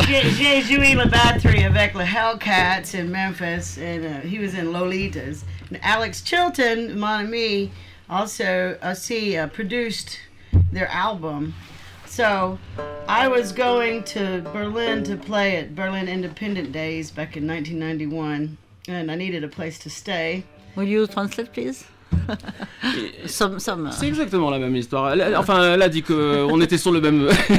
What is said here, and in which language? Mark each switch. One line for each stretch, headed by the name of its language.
French: J'ai joué la batterie avec les Hellcats
English: in Memphis, and he was in Lolitas. And Alex Chilton,
French: mon ami,
English: also produced their album. So I was going to Berlin to play at Berlin Independent Days back in 1991, and I needed a place to stay. Will you translate, please? some
French: C'est exactement la même histoire. Elle a dit qu'on était sur le même